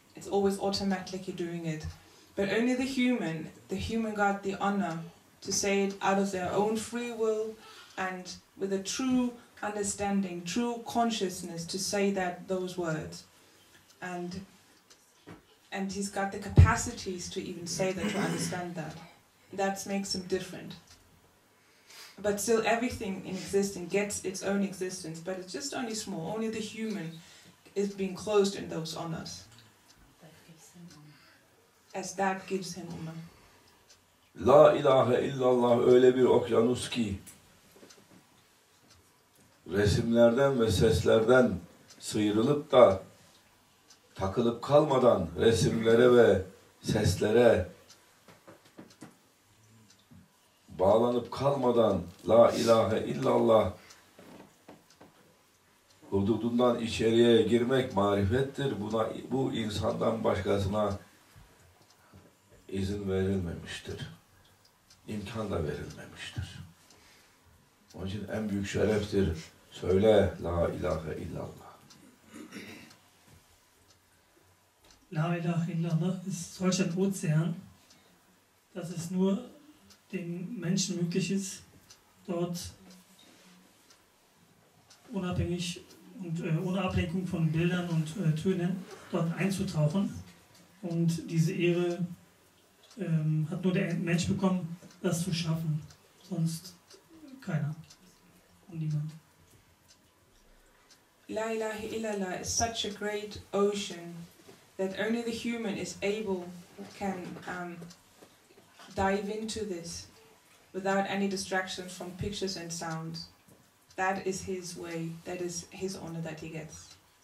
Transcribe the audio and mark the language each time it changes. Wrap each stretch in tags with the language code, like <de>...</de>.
<en>It's always automatically doing it. But only the human got the honor to say it out of their own free will and with a true understanding, true consciousness to say that those words, and he's got the capacities to even say that, to understand that. That makes him different. But still everything in existing gets its own existence, but it's just only small, only the human is being closed in those honors. As that gives him honor.</en> <tr>La ilahe illallah öyle bir okyanus ki, resimlerden ve seslerden sıyrılıp da takılıp kalmadan resimlere ve seslere bağlanıp kalmadan La ilahe illallah hududundan içeriye girmek marifettir. Buna, bu insandan başkasına izin verilmemiştir. İmkan da verilmemiştir. Onun için en büyük şereftir. Söyle La ilahe illallah.</tr> <de>La ilahe illallah ist solch ein Ozean, dass es nur den Menschen möglich ist, dort unabhängig und ohne Ablenkung von Bildern und Tönen dort einzutauchen. Und diese Ehre hat nur der Mensch bekommen, das zu schaffen. Sonst keiner und niemand.</de> <en>La ilaha illallah is such a great ocean that only the human is able, can dive into this without any distractions from pictures and sounds. That is his way, that is his honor that he gets.</en>